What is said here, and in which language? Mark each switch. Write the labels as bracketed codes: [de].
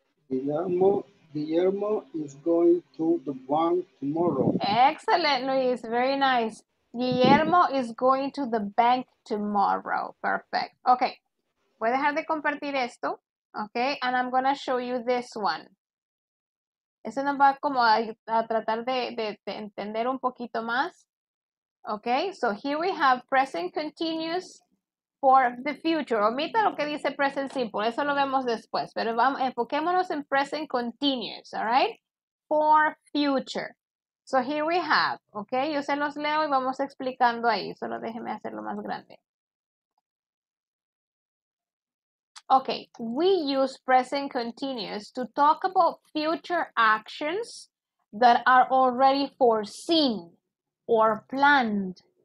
[en] Guillermo is going to the bank tomorrow. Excellent, Luis. Very nice. Guillermo is going to the bank tomorrow. Perfect. Okay. [es] Voy a dejar de compartir esto. [en] Okay. And I'm going to show you this one. [es] Eso nos va como a tratar de entender un poquito más. [en] Okay. So here we have present continuous for the future. [es] Omita lo que dice present simple. Eso lo vemos después. Pero vamos, enfoquémonos en present continuous. [en] All right. For future. So here we have, okay, [es] yo se los leo y vamos explicando ahí, solo déjeme hacerlo más grande. [en] Okay, we use present continuous to talk about future actions that are already foreseen or planned.